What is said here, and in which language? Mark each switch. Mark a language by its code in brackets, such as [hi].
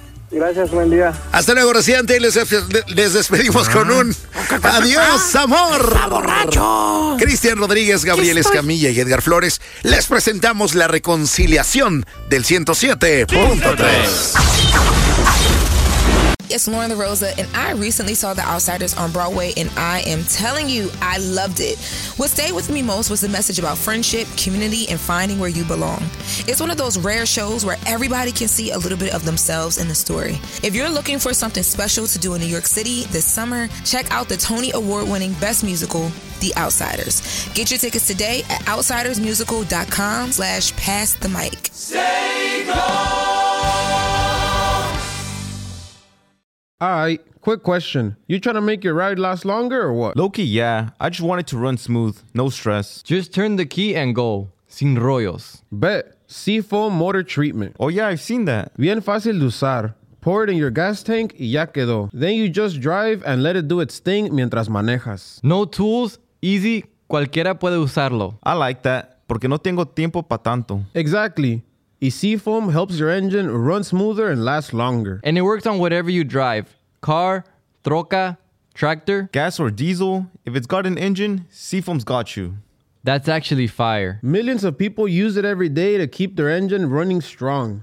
[es] Gracias, buen día. Hasta luego, residente. Les despedimos con un adiós, amor. ¡Borracho! Cristian Rodríguez, Gabriel Escamilla y Edgar Flores. Les presentamos la reconciliación del 107.3. [en] It's Lauren LaRosa, and I recently saw The Outsiders on Broadway, and I am telling you, I loved it. What stayed with me most was the message about friendship, community, and finding where you belong. It's one of those rare shows where everybody can see a little bit of themselves in the story. If you're looking for something special to do in New York City this summer, check out the Tony Award-winning Best Musical, The Outsiders. Get your tickets today at outsidersmusical.com/passthemic. Say go! Alright, quick question. You trying to make your ride last longer or what? Low-key, yeah. I just want it to run smooth. No stress. Just turn the key and go. [es] Sin rollos. [en] Bet. Seafoam motor treatment. Oh yeah, I've seen that. [es] Bien fácil de usar. [en] Pour it in your gas tank [es] y ya quedó. [en] Then you just drive and let it do its thing [es] mientras manejas. [en] No tools. Easy. [es] Cualquiera puede usarlo. [en] I like that. [es] Porque no tengo tiempo pa' tanto. [en] Exactly. And Seafoam helps your engine run smoother and last longer. And it works on whatever you drive. Car, troca, tractor. Gas or diesel. If it's got an engine, Seafoam's got you. That's actually fire. Millions of people use it every day to keep their engine running strong.